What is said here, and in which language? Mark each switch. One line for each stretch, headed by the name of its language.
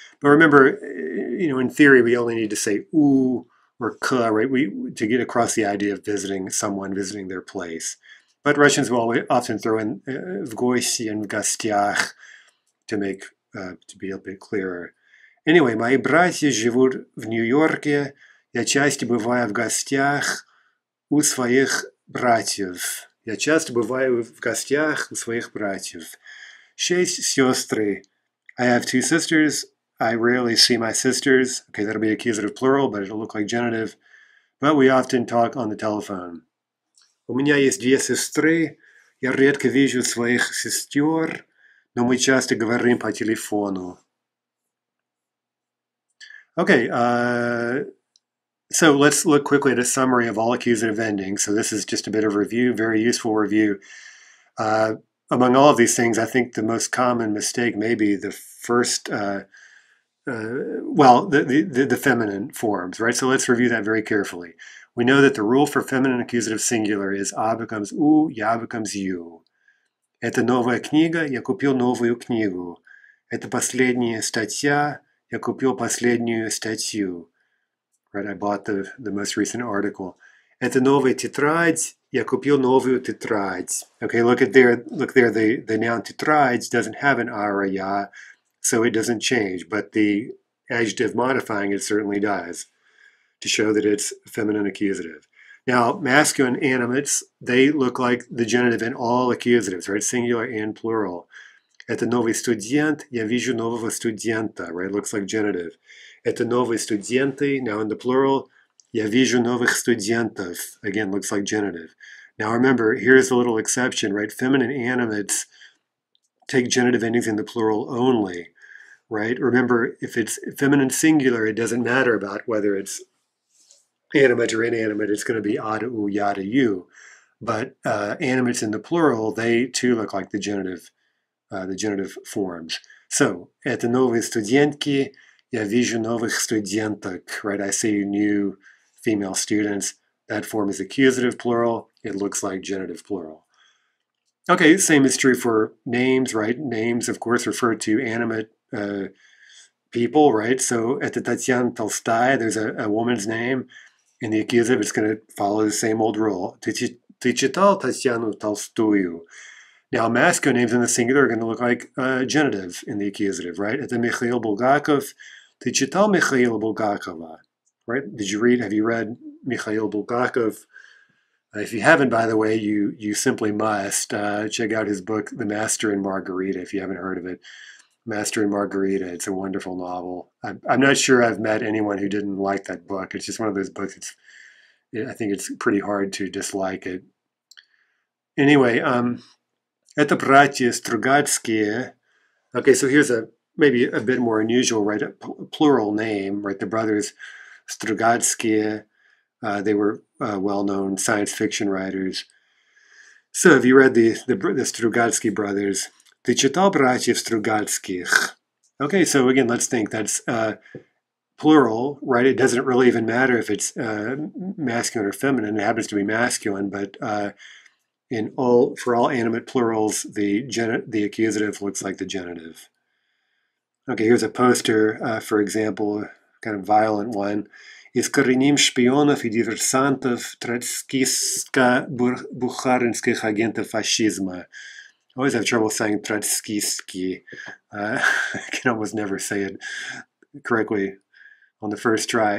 English: But remember, you know, in theory, we only need to say u or k, right? To get across the idea of visiting someone, visiting their place. But Russians will often throw in v gosti and v gostiach to be a bit clearer.
Russian: Anyway, мои братья живут в Нью-Йорке. Я часто бываю в гостях у своих братьев. Я часто бываю в гостях у своих братьев. Шесть сестры.
English: I have two sisters. I rarely see my sisters. Okay, that'll be accusative plural, but it'll look like genitive. But we often talk on the telephone.
Russian: У меня есть две сестры. Я редко вижу своих сестер, но мы часто говорим по телефону.
English: Okay, so let's look quickly at a summary of all accusative endings. So this is just a bit of review, very useful review. Among all of these things, I think the most common mistake may be the first, the feminine forms, right? So let's review that very carefully. We know that the rule for feminine accusative singular is I becomes u, ya becomes you.
Russian: Это новая книга, я купил новую книгу. Это последняя статья. Я купил последнюю статью.
English: Right, I bought the most recent article.
Russian: Это новая тетрадь. Я купил новую тетрадь.
English: Okay, look there. The noun тетрадь doesn't have an ara ya, so it doesn't change. But the adjective modifying it certainly does, to show that it's feminine accusative. Now, masculine animates, they look like the genitive in all accusatives, right? Singular and plural.
Russian: Это новый студент, я вижу нового студента, right?
English: Looks like genitive.
Russian: Это новые студенты,
English: now in the plural,
Russian: я вижу новых студентов,
English: again, looks like genitive. Now remember, here's a little exception, right? Feminine animates take genitive endings in the plural only, right? Remember, if it's feminine singular, it doesn't matter about whether it's animate or inanimate, it's going to be a to u, ya to you. But animates in the plural, they too look like the genitive forms.
Russian: So, это новые студентки, я вижу новых студенток, right?
English: I see new female students. That form is accusative plural. It looks like genitive plural. Okay, same is true for names, right? Names, of course, refer to animate people, right? So,
Russian: это Татьяна Толстая,
English: there's a woman's name. In the accusative, it's going to follow the same old rule.
Russian: Ты читал Татьяну Толстую?
English: Now, masculine names in the singular are going to look like genitive in the accusative, right?
Russian: Это Михаил Булгаков. Ты читал Михаила Булгакова?
English: Right? Have you read Михаил Булгаков? If you haven't, by the way, you simply must check out his book, The Master and Margarita, if you haven't heard of it. Master and Margarita, it's a wonderful novel. I'm not sure I've met anyone who didn't like that book. It's just one of those books. I think it's pretty hard to dislike it.
Russian: Anyway, Это братья Стругацкие.
English: Okay, so here's maybe a bit more unusual, right? A plural name, right? The brothers Strugatskie. They were well-known science fiction writers. So have you read the Strugatsky brothers?
Russian: Ты читал братьев Стругацких?
English: Okay, so again, let's think. That's plural, right? It doesn't really even matter if it's masculine or feminine. It happens to be masculine, but... For all animate plurals, the accusative looks like the genitive. Okay, here's a poster, for example, kind of violent one.
Russian: Искореним шпионов и диверсантов троцкистско бухаринских агентов фашизма.
English: Always have trouble saying троцкистки. I can almost never say it correctly on the first try.